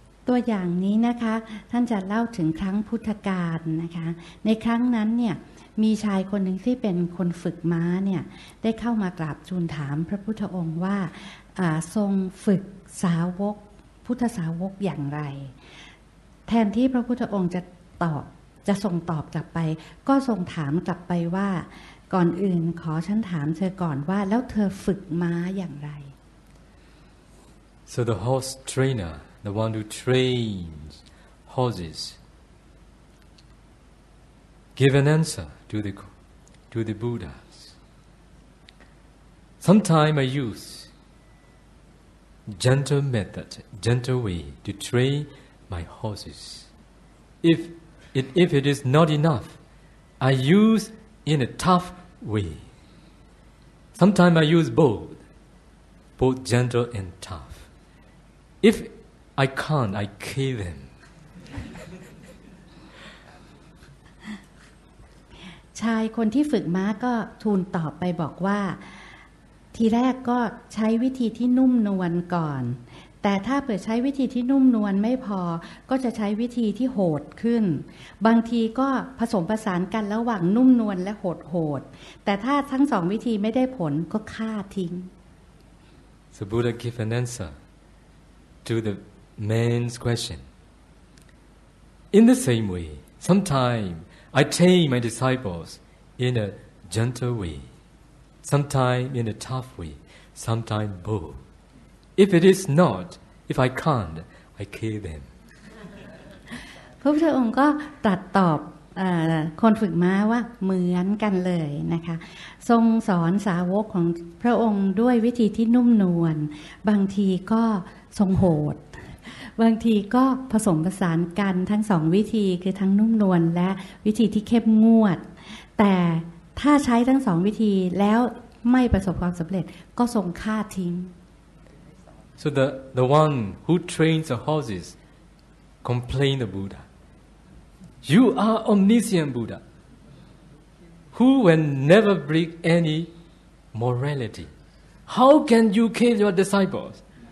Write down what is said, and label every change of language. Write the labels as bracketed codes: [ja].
[th] ตัวอย่างนี้นะคะท่านจะเล่าถึงครั้งพุทธกาลนะคะในครั้งนั้นเนี่ยมีชายคนหนึ่งที่เป็นคนฝึกม้าเนี่ยได้เข้ามากราบทูลถามพระพุทธองค์ว่าทรงฝึกสาวกพุทธสาวกอย่างไรแทนที่พระพุทธองค์จะตอบ จะส่งตอบกลับไปก็ส่งถามกลับไปว่าก่อนอื่นขอฉันถามเธอก่อนว่าแล้วเธอฝึกม้าอย่างไร [en] So the horse trainer, the one who trains horses, give an answer to the Buddha. Sometime I use gentle method, gentle way to train my horses. If it is not enough, I use in a tough way. Sometime I use both gentle and tough. If I can't, I kill them. [th] ชายคนที่ฝึกม้าก็ทูลตอบไปบอกว่าทีแรกก็ใช้วิธีที่นุ่มนวลก่อนแต่ถ้าเผื่อใช้วิธีที่นุ่มนวลไม่พอก็จะใช้วิธีที่โหดขึ้นบางทีก็ผสมประสานกันระหว่างนุ่มนวลและโหดแต่ถ้าทั้งสองวิธีไม่ได้ผลก็ฆ่าทิ้ง [en] The Buddha gave an answer to the man's question. In the same way, sometimes I train my disciples in a gentle way. Sometime in a tough way, sometime bold. If it is not, if I can't, I kill them. [th] พระพุทธองค์ก็ตรัสตอบคนฝึกม้าว่าเหมือนกันเลยนะคะทรงสอนสาวกของพระองค์ด้วยวิธีที่นุ่มนวลบางทีก็ทรงโหดบางทีก็ผสมผสานกันทั้งสองวิธีคือทั้งนุ่มนวลและวิธีที่เข้มงวดแต่ถ้าใช้ทั้งสองวิธีแล้วไม่ประสบความสำเร็จก็ส่งฆ่าทิ้ง [en] So the one who trains the horses complained the Buddha You are omniscient Buddha Who will never break any morality How can you kill your disciples?